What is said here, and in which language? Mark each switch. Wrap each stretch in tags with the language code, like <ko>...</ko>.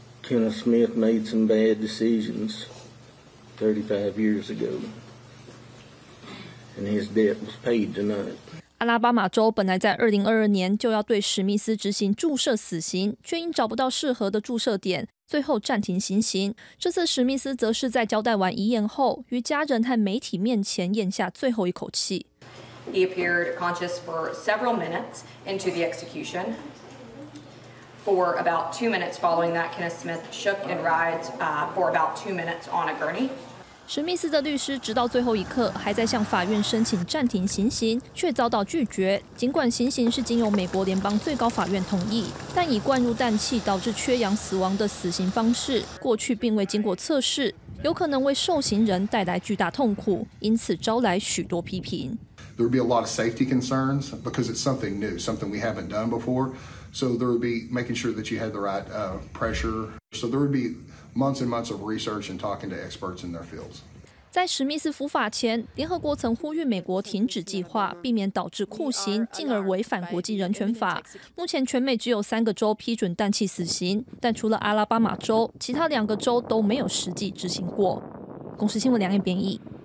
<en>Ken Smith made some bad decisions 35 years ago, and his debt was paid tonight.</en> <zh>阿拉巴马州本来在2022年就要对史密斯执行注射死刑，却因找不到适合的注射点，最后暂停行刑。这次史密斯则是在交代完遗言后，于家人和媒体面前咽下最后一口气。</zh> <en>He appeared conscious for several minutes into the execution. For about 2 minutes following that, Kenneth Smith shook and writhed for about 2 minutes on a gurney.</en> <zh>史密斯的律师直到最后一刻还在向法院申请暂停行刑，却遭到拒绝。尽管行刑是经由美国联邦最高法院同意，但以灌入氮气导致缺氧死亡的死刑方式，过去并未经过测试，有可能为受刑人带来巨大痛苦，因此招来许多批评。</zh> <en>There would be a lot of safety concerns because it's something new, something we haven't done before. So there would be making sure that you had the right pressure. So there would be. Months and months of research and talking to experts in their fields.</en> <zh>在史密斯服法前，联合国曾呼吁美国停止计划，避免导致酷刑，进而违反国际人权法。目前全美只有3个州批准氮气死刑，但除了阿拉巴马州，其他2个州都没有实际执行过。公视新闻梁彦编译。</zh>